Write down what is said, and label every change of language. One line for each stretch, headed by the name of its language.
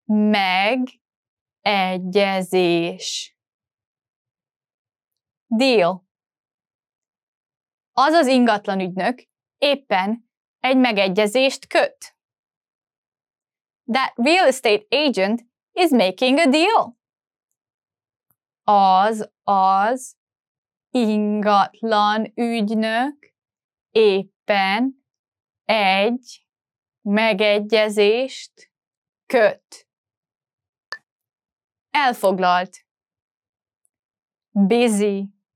Hungarian: Megegyezés.
English: Deal.
Hungarian: Az az ingatlan ügynök éppen egy megegyezést köt.
English: That real estate agent is making a deal.
Hungarian: Az ingatlan ügynök éppen egy megegyezést köt. Elfoglalt. Busy.